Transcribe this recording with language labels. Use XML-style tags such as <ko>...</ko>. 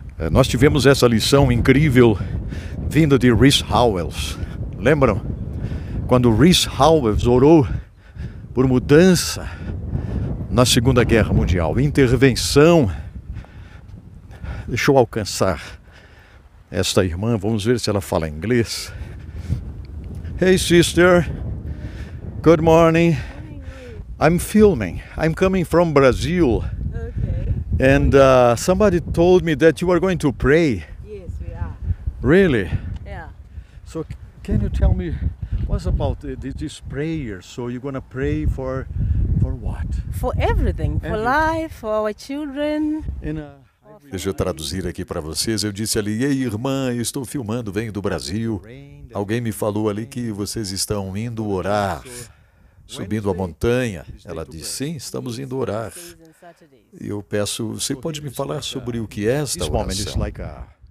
<pt>Nós tivemos essa lição incrível vinda de Rhys Howells. Lembram? Quando Rhys Howells orou por mudança na Segunda Guerra Mundial, intervenção. Deixa eu alcançar esta irmã, vamos ver se ela fala inglês.</pt> <en>Hey sister, good morning. I'm filming. I'm coming from Brazil. Okay. And somebody told me that you are going to pray. Yes, we are. Really? Yeah. So can you tell me what's about this prayer? So you're going to pray for what? For everything, for life, for our children.</en> <pt>Deixa eu traduzir aqui para vocês. Eu disse ali, ei irmã, estou filmando, venho do Brasil. Alguém me falou ali que vocês estão indo orar, subindo a montanha. Ela disse, sim, estamos indo orar. E eu peço, você pode me falar sobre o que é esta oração?</pt>